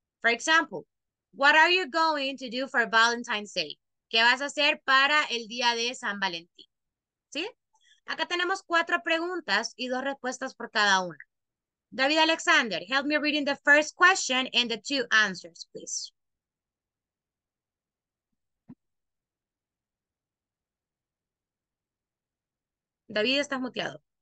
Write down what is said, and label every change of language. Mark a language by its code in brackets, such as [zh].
[en] For example, what are you going to do for Valentine's Day? [es] ¿Qué vas a hacer para el día de San Valentín? ¿Sí? Acá tenemos cuatro preguntas y dos respuestas por cada una. [en] David Alexander, help me reading the first question and the two answers, please. [es] David, estás muteado.